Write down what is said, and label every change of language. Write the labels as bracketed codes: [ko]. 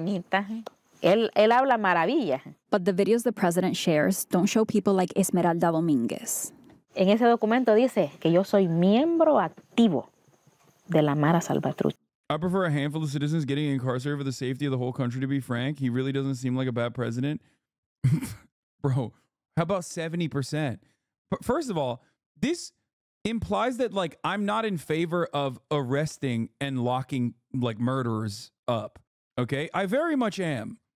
[en] But the videos the president shares don't show people like Esmeralda Dominguez. [es] En ese documento dice que yo soy miembro activo de la Mara Salvatrucha. [en] I prefer a handful of citizens getting incarcerated for the safety of the whole country, to be frank. He really doesn't seem like a bad president. Bro, how about 70%? But first of all, this implies that, like, I'm not in favor of arresting and locking, like, murderers up, okay? I very much am.